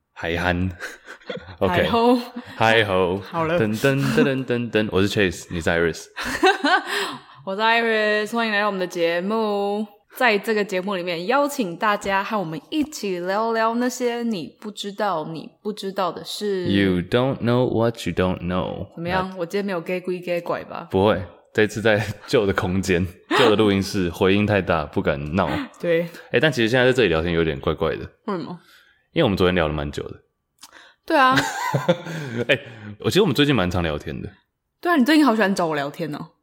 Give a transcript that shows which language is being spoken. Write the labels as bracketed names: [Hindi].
[Chinese] 海涵 ，OK，海猴，海猴，好了，噔噔噔噔噔噔，我是 Chase， 你是 Iris。我是 Iris， 欢迎来到我们的节目。在这个节目里面，邀请大家和我们一起聊聊那些你不知道、你不知道的事。 [English] You don't know what you don't know。 [Chinese] 怎么样？我今天没有给鬼给拐吧？不会，这次在旧的空间、旧的录音室，回音太大，不敢闹。对，欸，但其实现在在这里聊天有点怪怪的。为什么？因为我们昨天聊了蛮久的。对啊。欸，我其实我们最近蛮常聊天的。对啊，你最近好喜欢找我聊天哦。